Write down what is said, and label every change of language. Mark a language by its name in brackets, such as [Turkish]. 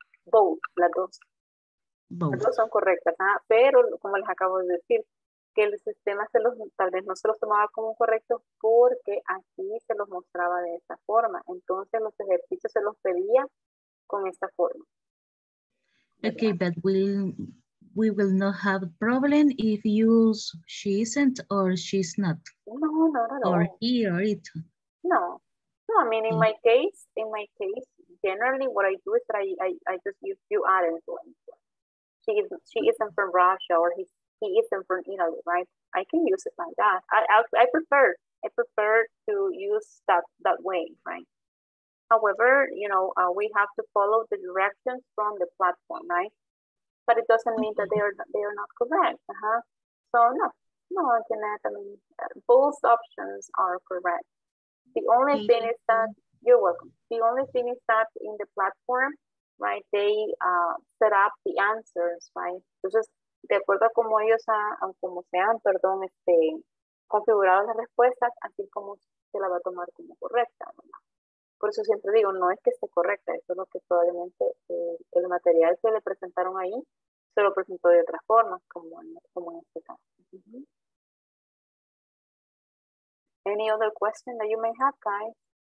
[English] Both, [Spanish] las dos. [English] Both. [Spanish] Las dos son correctas, ¿ah? Pero como les acabo de decir, que el sistema tal vez no se los tomaba como correctos porque aquí se los mostraba de esta forma. Entonces los ejercicios se los pedía con esta forma. Okay, ¿verdad? [English] But we will not have problem if you use she isn't or she's not. [Spanish] No. [English] Or he or it. [Spanish] No. [English] I mean, in my case, generally what I do is that I just use you aren't. She isn't from Russia or he isn't from Italy, right? I can use it like that. I prefer to use that way, right? However, you know, we have to follow the directions from the platform, right? But it doesn't mean that they are not correct. Uh-huh. So no, Jeanette, I mean, both options are correct. The only thing is that, you're welcome. The only thing is that in the platform, right, they set up the answers, right? [Spanish] Entonces, de acuerdo a cómo ellos han configurado las respuestas, así como se la va a tomar como correcta, ¿no? Por eso siempre digo, no es que esté correcta, eso es lo que probablemente el material que le presentaron ahí se lo presentó de otra forma, como en este caso. Uh-huh. [English] Any other question that you may have, guys?